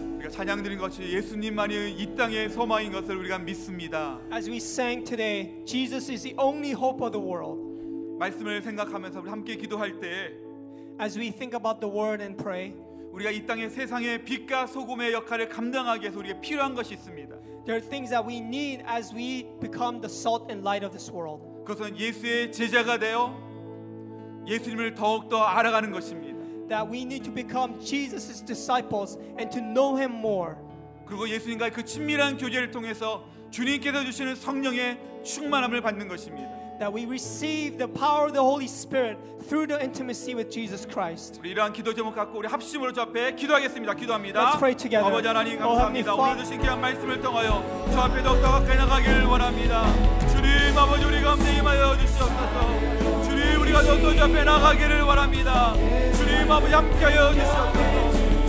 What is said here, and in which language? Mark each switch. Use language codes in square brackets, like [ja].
[ko] 찬양드린 것이 예수님만이 이 땅의 소망인 것을 우리가 믿습니다. [en] As we sang today, Jesus is the only hope of the world. [ko] 말씀을 생각하면서 우리 함께 기도할 때 [en] As we think about the word and pray, [ko] 우리가 이 땅의 세상의 빛과 소금의 역할을 감당하기 위해서 우리에게 필요한 것이 있습니다. [en] There are things that we need as we become the salt and light of this world. [ko] 그것은 예수의 제자가 되어 예수님을 더욱더 알아가는 것입니다. [en] That we need to become Jesus' disciples and to know him more. [ko] 그리고 예수님과의 그 친밀한 교제를 통해서 주님께서 주시는 성령의 충만함을 받는 것입니다. [en] That we receive the power of the Holy Spirit through the intimacy with Jesus Christ. [ko] 우리 이러한 기도 제목 갖고 우리 합심으로 저 앞에 기도하겠습니다. 기도합니다. [en] Let's pray together. [ko] 아버지 하나님 감사합니다. 오늘 주신 귀한 말씀을 통하여 저 앞에 더욱더 가까이 나가기를 원합니다. 주님 아버지 우리 감사히 마여 주시옵소서. 우리가 더욱더 앞에 나가기를 바랍니다. 주님 아버지 함께하여 주시옵소서.